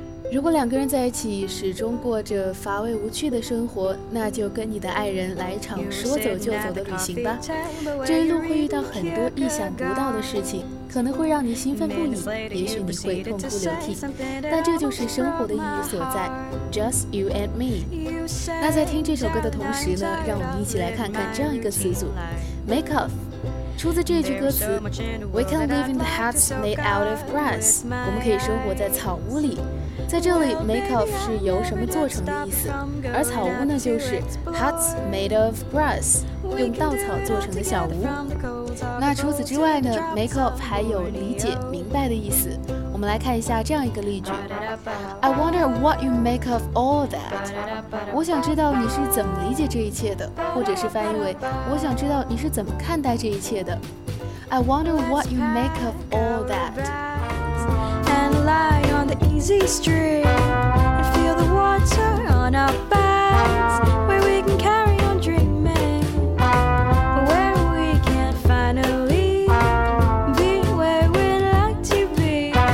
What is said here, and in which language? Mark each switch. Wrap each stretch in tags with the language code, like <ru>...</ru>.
<zh>如果两个人在一起始终过着乏味无趣的生活，那就跟你的爱人来一场说走就走的旅行吧。这一路会遇到很多意想不到的事情，可能会让你兴奋不已，也许你会痛哭流涕，但这就是生活的意义所在。</zh> <en>Just you and me。</en> <zh>那在听这首歌的同时呢，让我们一起来看看这样一个词组</zh> <en>Make offTo the JG Gertz, we can live in the huts made out of grass.</en> <zh>我们可以生活在草屋里。在这里 make of 是由什么做成的意思，而草屋呢就是</zh> <en>huts made of grass,</en> <zh>用稻草做成的小屋。那除此之外呢， make of 还有理解明白的意思。我们来看一下这样一个例句。</zh> <en>I wonder what you make of all that.</en> <zh>我想知道你是怎么理解这一切的，或者是翻译为我想知道你是怎么看待这一切的。</zh> <en>I wonder what you make of all that. And lie on the easy street and feel the water on our backs where we can carry on dreaming where we can finally be where we'd like to be.</en>